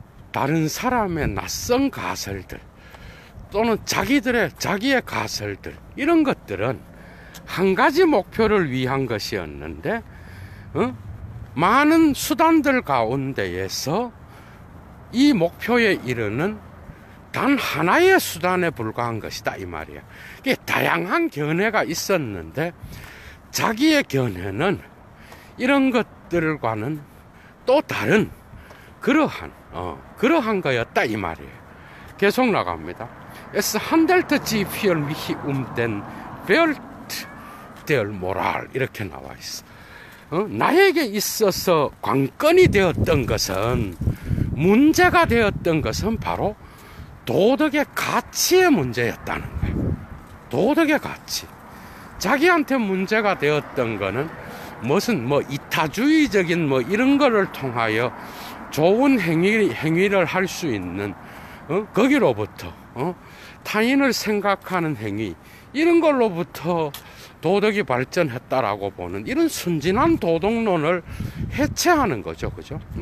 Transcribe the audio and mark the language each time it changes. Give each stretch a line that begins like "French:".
Korean: 다른 사람의 낯선 가설들, 또는 자기의 가설들, 이런 것들은 한 가지 목표를 위한 것이었는데, 많은 수단들 가운데에서 이 목표에 이르는 단 하나의 수단에 불과한 것이다, 이 말이야. 다양한 견해가 있었는데, 자기의 견해는 이런 것들과는 또 다른 그러한 거였다, 이 말이에요. 계속 나갑니다.
German: Es handelt sich für mich um den Welt der Moral,
Korean: 이렇게 나와 있어. 나에게 있어서 관건이 되었던 것은, 문제가 되었던 것은 바로 도덕의 가치의 문제였다는 거예요. 도덕의 가치. 자기한테 문제가 되었던 거는 무슨 뭐 이타주의적인 뭐 이런 거를 통하여 좋은 행위를 할 수 있는 거기로부터 타인을 생각하는 행위, 이런 걸로부터 도덕이 발전했다라고 보는 이런 순진한 도덕론을 해체하는 거죠. 그죠?